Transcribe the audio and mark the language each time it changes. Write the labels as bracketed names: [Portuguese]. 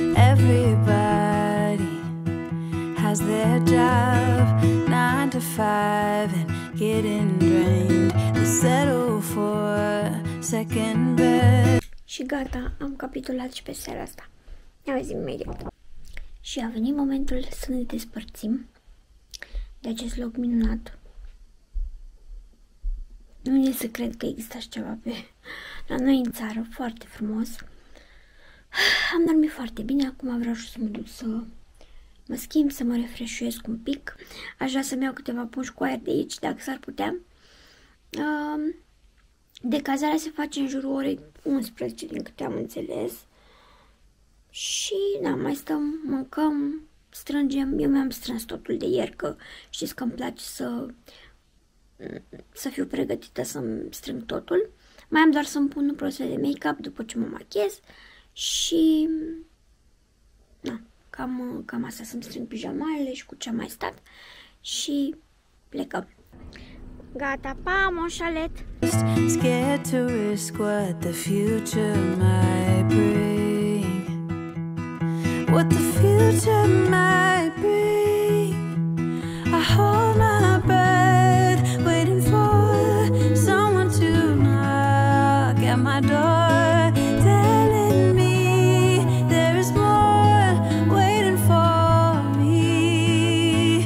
[English] Everybody has their job, 9 to 5 and getting drained. They settle for second best. [Romanian] Și gata, am capitulat și pe seara asta. Ne auzim imediat. Și a venit momentul să ne despărțim de acest loc minunat. Nu e să cred că există așa ceva pe la noi în țară, foarte frumos. Am dormit foarte bine, acum vreau și să mă duc să mă schimb, să mă refreshuiesc un pic. Aș vrea să-mi iau câteva pungi cu aer de aici, dacă s-ar putea. Decazarea se face în jurul orei 11, din câte am înțeles. Și, da, mai stăm, mâncăm, strângem. Eu mi-am strâns totul de ieri, că știți că îmi place să fiu pregătită să-mi strâng totul. Mai am doar să-mi pun un proces de make-up după ce mă machiez. Și, da, cam asta, să-mi strâng pijamalele și cu ce am mai stat. Și plecăm. Gata, pa, moșalet! [English] Scared to risk what the future might bring. What the future might bring. I hold my breath, waiting for someone to knock at my door, telling me there is more waiting for me.